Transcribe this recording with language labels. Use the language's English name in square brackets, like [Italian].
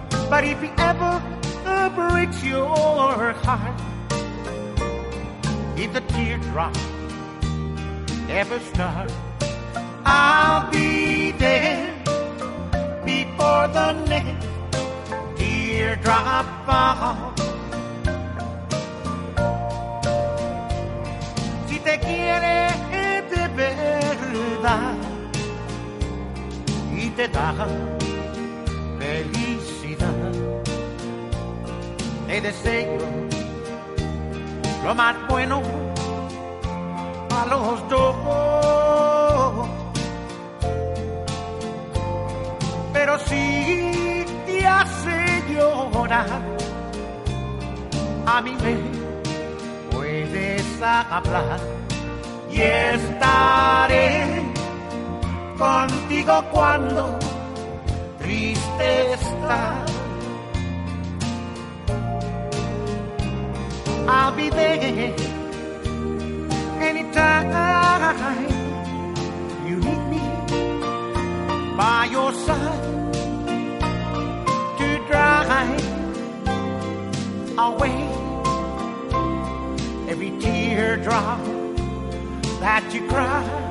[English] But if you ever break your heart, if the teardrop ever starts, I'll be there before the next teardrop falls. [Spanish] Si te quiere de verdad y te da felicidad, te deseo lo más bueno a los dos. Pero si te hace llorar, a mí me puedes hablar y estaré contigo cuando triste estás. [English] I'll be there anytime you need me by your side to dry away every teardrop that you cry.